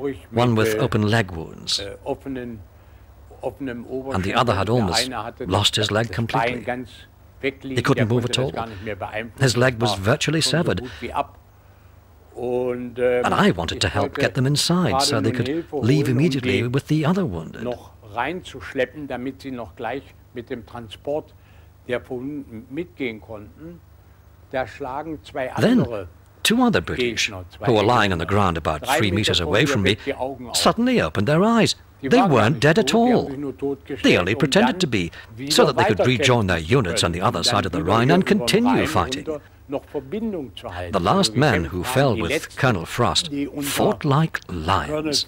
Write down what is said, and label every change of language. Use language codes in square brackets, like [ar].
[en] One with open leg wounds. And the other had almost lost his leg completely. He couldn't move at all. His leg was virtually severed. And I wanted to help get them inside so they could leave immediately with the other wounded. [de] Noch reinzuschleppen, damit sie noch gleich mit dem Transport der Verwundeten mitgehen konnten. Da schlagen zwei andere. [en] Two other British, who were lying on the ground about 3 meters away from me, suddenly opened their eyes. They weren't dead at all. They only pretended to be, so that they could rejoin their units on the other side of the Rhine and continue fighting. The last men who fell with Colonel Frost fought like lions.